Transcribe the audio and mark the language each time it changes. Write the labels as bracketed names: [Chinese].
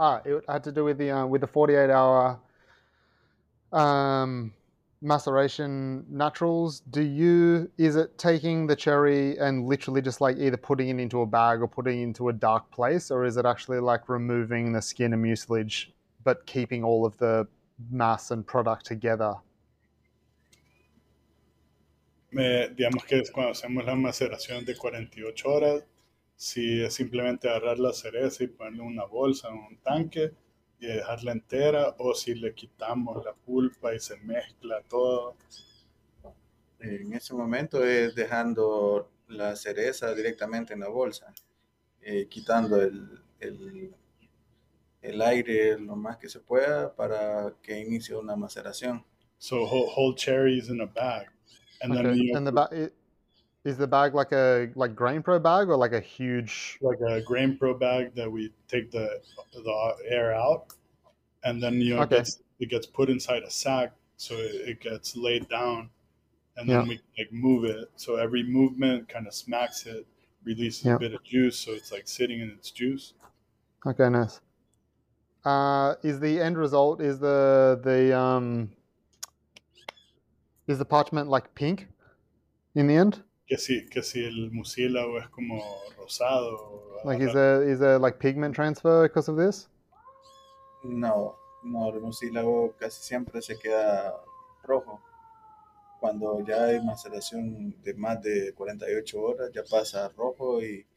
[English] It had to do with the 48-hour maceration naturals. Is it taking the cherry and literally just like either putting it into a bag or putting it into a dark place, or is it actually like removing the skin and mucilage but keeping all of the mass and product together. [Spanish] Digamos que cuando hacemos la maceración de 48 horas, si es simplemente agarrar la cereza y ponerle una bolsa en un tanque y dejarla entera, o si le quitamos la pulpa y se mezcla todo. En ese momento es dejando la cereza directamente en la bolsa, quitando el aire lo más que se pueda para que inicie una maceración. [English] So whole cherries in a bag. And okay. Then the is the bag like a like GrainPro bag or like a huge like a GrainPro bag that we take the air out and then you know, okay. it gets put inside a sack so it gets laid down and then we like move it so every movement kind of smacks it releases a bit of juice so it's like sitting in its juice. Okay, nice. Is the end result is the is the parchment like pink in the end? [Spanish] Que si el mucílago es como rosado. [English] Like is there like pigment transfer because of this? [Spanish] No, el mucílago casi siempre se queda rojo. Cuando ya hay maceración de más de 48 horas, ya pasa rojo y...